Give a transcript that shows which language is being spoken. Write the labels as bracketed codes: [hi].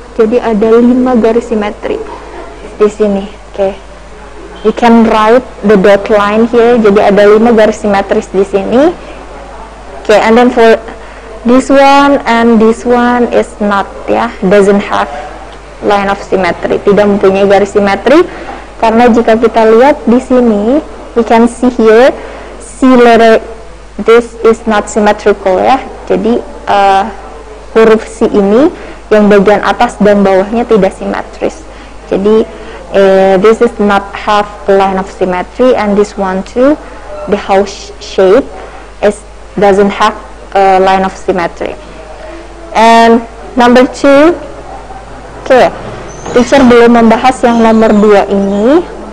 [id] Jadi ada lima garis simetri di sini. Oke. Okay. [en] You can write the dot line here. [id] Jadi ada lima garis simetris di sini. [en] Okay, and then for this one is not, yeah, doesn't have line of symmetry. [id] Tidak mempunyai garis simetri. Karena jika kita lihat di sini, [en] we can see here, see letter, this is not symmetrical, ya. Yeah. [id] Jadi huruf C ini yang bagian atas dan bawahnya tidak simetris. Jadi [en] this is not half line of symmetry, and this one too, the house shape is doesn't have a line of symmetry. And number two, [id] okay, teacher belum membahas yang nomor dua ini.